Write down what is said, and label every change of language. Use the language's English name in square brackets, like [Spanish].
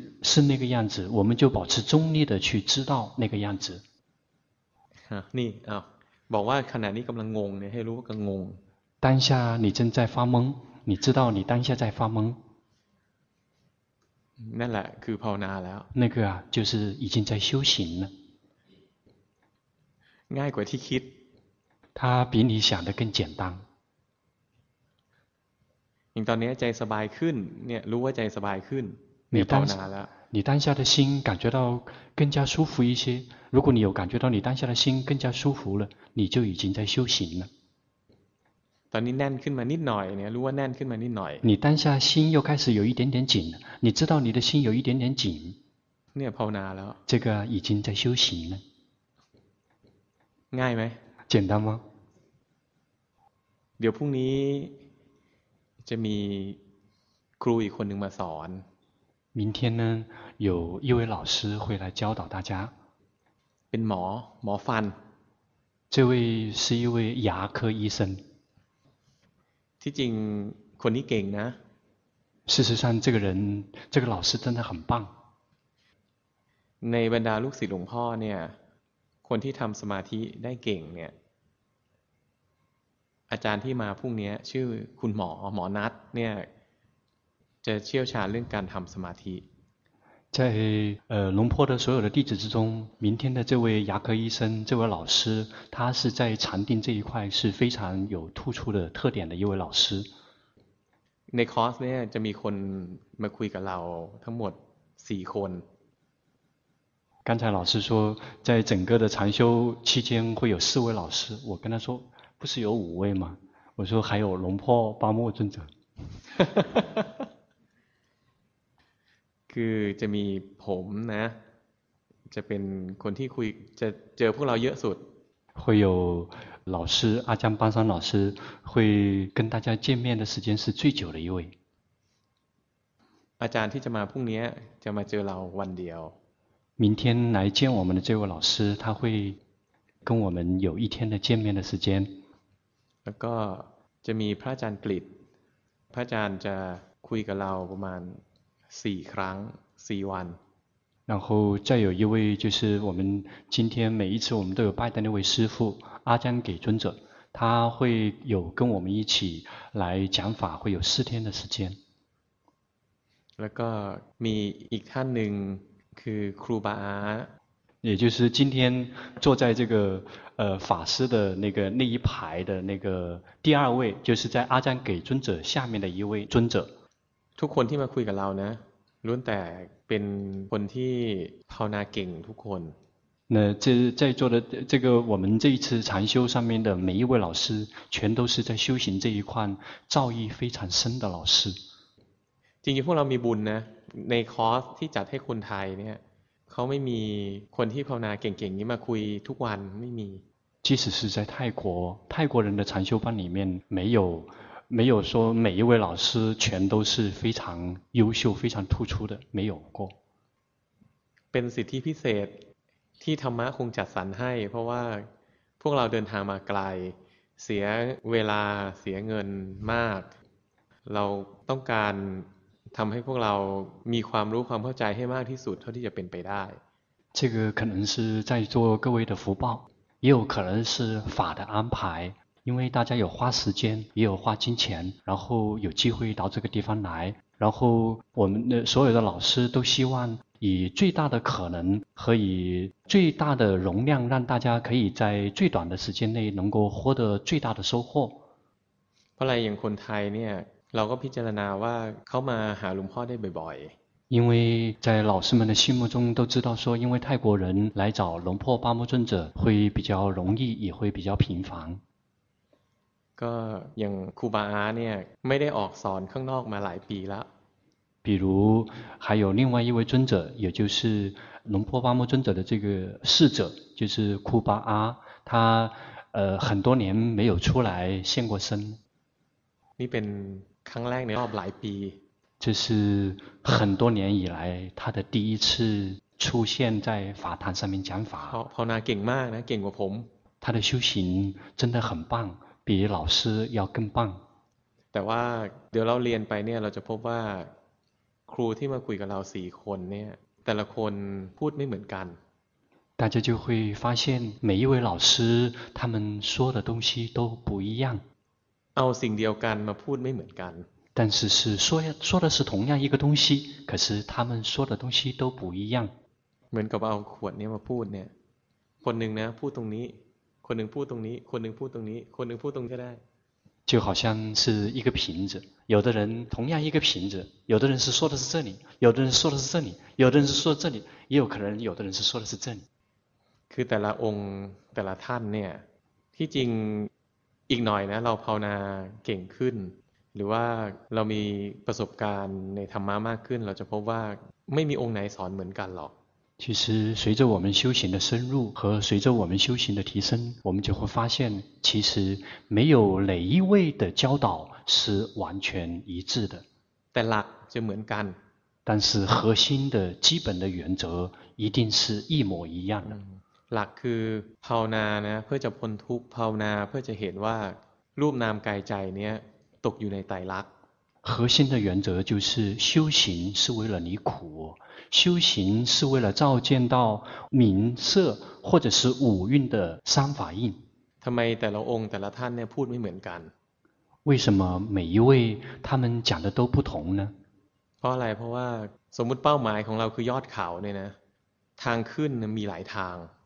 [Chinese] 是那个样子我们就保持中立的去知道那个样子 [Thai] นี่บอกว่าขณะนี้กำลังงงเนี่ยให้รู้ว่ากำลังงง [Chinese] 当下你正在发懵你知道你当下在发懵 [Thai] นั่นแหละคือภาวนาแล้ว [Chinese] 那个啊就是已经在修行了 [Thai] ง่ายกว่าที่คิด [Chinese] 它比你想的更简单 [Thai] อย่างตอนนี้ใจสบายขึ้นเนี่ยรู้ว่าใจสบายขึ้นเนี่ยภาวนาแล้ว [Chinese] 你当下的心感觉到更加舒服一些如果你有感觉到你当下的心更加舒服了你就已经在修行了 [Thai] ตอนนี้แน่นขึ้นมานิดหน่อยเนี่ยรู้ว่าแน่นขึ้นมานิดหน่อย [Chinese] 你当下心又开始有一点点紧了你知道你的心有一点点紧 [Thai] เนี่ยภาวนาแล้ว [Chinese] 这个已经在修行了 [Thai] ง่ายไหม [Chinese] 简单吗 [Thai] เดี๋ยวพรุ่งนี้จะมีครูอีกคนหนึ่งมาสอน [Chinese] 明天呢有一位老师会来教导大家 [Thai] เป็นหมอฟัน [Chinese] 这位是一位牙科医生 [Thai] ที่จริงคนนี้เก่งนะ [Chinese] 事实上这个人这个老师真的很棒 [Thai] ในบรรดาลูกศิษย์หลวงพ่อเนี่ยคนที่ทำสมาธิได้เก่งเนี่ยอาจารย์ที่มาพรุ่งนี้ชื่อคุณหมอนัทเนี่ยจะเชี่ยวชาญเรื่องการทำสมาธิ [Chinese] 在龙坡的所有的弟子之中明天的这位牙科医生这位老师他是在禅定这一块是非常有突出的特点的一位老师 [Thai] ในคอร์สเนี่ยจะมีคนมาคุยกับเราทั้งหมด4คน [Chinese] 刚才老师说在整个的禅修期间会有4位老师我跟他说不是有五位吗我说还有龙破八末尊者 [Thai] คือจะมีผมนะจะเป็นคนที่คุยจะเจอพวกเราเยอะสุด [Chinese] 会有老师阿江巴山老师会跟大家见面的时间是最久的一位 [Thai] อาจารย์ที่จะมาพรุ่งนี้จะมาเจอเราวันเดียว [Chinese] 明天来见我们的这位老师他会跟我们有一天的见面的时间 [Thai] แล้วก็จะมีพระอาจารย์กฤษพระอาจารย์จะคุยกับเราประมาณ4ครั้ง4วัน [Chinese] 然后再有一位就是我们今天每一次我们都有拜的那位师父阿江给尊者他会有跟我们一起来讲法会有4天的时间 [Thai] แล้วก็มีอีกท่านหนึ่งคือครูบาอา [Chinese] 也就是今天坐在这个法师的那个那一排的那个第二位就是在阿赞给尊者下面的一位尊者 [Thai] ทุกคนที่มาคุยกับเรานะล้วนแต่เป็นคนที่ภาวนาเก่งทุกคน [Chinese] 那这在座的这个我们这一次禅修上面的每一位老师全都是在修行这一块造诣非常深的老师 [Thai] จริงๆพวกเรามีบุญนะในคอร์สที่จัดให้คนไทยเนี่ย ขาไม่มีคนที่ภาวนาเก่งๆนี้มาคุยทุกวันไม่มี [Chinese] 即使是在泰国，泰国人的禅修班里面没有说每一位老师全都是非常优秀、非常突出的，没有过。 [Thai] เป็นสิทธิพิเศษที่ธรรมะคงจัดสรรให้เพราะว่าพวกเราเดินทางมาไกลเสียเวลาเสียเงินมากเราต้องการทำให้พวกเรามีความรู้ความเข้าใจให้มากที่สุดเท่าที่จะเป็นไปได้ [Chinese] 这个可能是在座各位的福报也有可能是法的安排因为大家有花时间也有花金钱然后有机会到这个地方来然后我们的所有的老师都希望以最大的可能和以最大的容量让大家可以在最短的时间内能够获得最大的收获后来有 [Thai] คนไทยเนี่ยเราก็พิจารณาว่าเขามาหาหลวงพ่อได้บ่อย [Chinese] ๆ因为在老师们的心目中都知道说因为泰国人来找龙破八木尊者会比较容易也会比较频繁 [Thai] ก็อย่างครูบาอาเนี่ยไม่ได้ออกสอนข้างนอกมาหลายปีแล้ว [Chinese] 比如还有另外一位尊者也就是龙破巴木尊者的这个侍者就是库巴阿他很多年没有出来现过身 [Thai] 你เป็นครั้งแรกในรอบหลายปี [Chinese] 这是很多年以来他的第一次出现在法坛上面讲法 [Thai] ภาวนาเก่งมากนะเก่งกว่าผม [Chinese] 他的修行真的很棒比老师要更棒 [Thai] แต่ว่าเดี๋ยวเราเรียนไปเนี่ยเราจะพบว่าครูที่มาคุยกับเราสี่คนเนี่ยแต่ละคนพูดไม่เหมือนกัน [Chinese] 大家就会发现每一位老师他们说的东西都不一样 [Thai] เอาสิ่งเดียวกันมาพูดไม่เหมือนกัน [Chinese] 但是是说的是同样一个东西可是他们说的东西都不一样 [Thai] เหมือนกับเอาขวดเนี่ยมาพูดเนี่ยคนหนึ่งนะพูดตรงนี้คนหนึ่งพูดตรงนี้คนหนึ่งพูดตรงนี้คนหนึ่งพูดตรงนี้ก็ได้ [Chinese] 就好像是一个瓶子，有的人同样一个瓶子，有的人是说的是这里，有的人说的是这里，有的人是说这里，也有可能有的人是说的是这里。 [Thai] คือแต่ละองค์แต่ละท่านเนี่ยที่จริงอีกหน่อยนะเราภาวนาเก่งขึ้นหรือว่าเรามีประสบการณ์ในธรรมะมากขึ้นเราจะพบว่าไม่มีองค์ไหนสอนเหมือนกันหรอก [Chinese] 其实随着我们修行的深入和随着我们修行的提升我们就会发现其实没有哪一位的教导是完全一致的 [Thai] แต่หลักจะเหมือนกัน [Chinese] 但是核心的基本的原则一定是一模一样的 [Thai] หลักคือภาวนานะเพื่อจะพ้นทุกข์ภาวนาเพื่อจะเห็นว่ารูปนามกายใจเนี้ยตกอยู่ในไตรลักษณ์ [Chinese] 核心的原则就是修行是为了离苦修行是为了照见到名色或者是五蕴的三法印 [Thai] ทำไมแต่ละองค์แต่ละท่านเนี่ยพูดไม่เหมือนกัน [Chinese] 为什么每一位他们讲的都不同呢 [Thai] เพราะอะไรเพราะว่าสมมุติเป้าหมายของเราคือยอดเขาเนี่ยนะทางขึ้นมีหลายทาง